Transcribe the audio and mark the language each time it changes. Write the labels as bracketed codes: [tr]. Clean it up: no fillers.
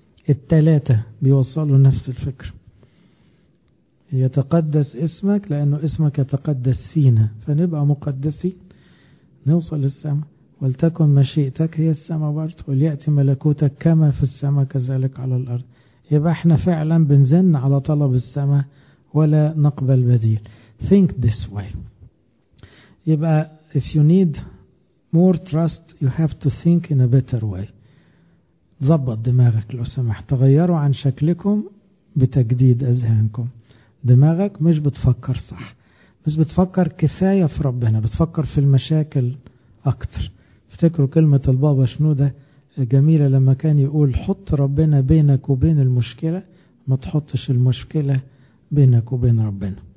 [ar] التلاتة بيوصلوا نفس الفكرة، يتقدس اسمك لأنه اسمك يتقدس فينا فنبقى مقدسي نوصل للسماء، ولتكن مشيئتك هي السماء برضه، وليأتي ملكوتك كما في السماء كذلك على الأرض. يبقى احنا فعلا بنزن على طلب السماء ولا نقبل بديل. [en] Think this way. يبقى if you need more trust you have to think in a better way. [ar] ضبط دماغك لو سمحت، تغيروا عن شكلكم بتجديد أذهانكم. دماغك مش بتفكر صح، بس بتفكر كفاية في ربنا، بتفكر في المشاكل أكتر. افتكروا كلمة البابا شنودة جميلة لما كان يقول حط ربنا بينك وبين المشكلة، ما تحطش المشكلة بينك وبين ربنا.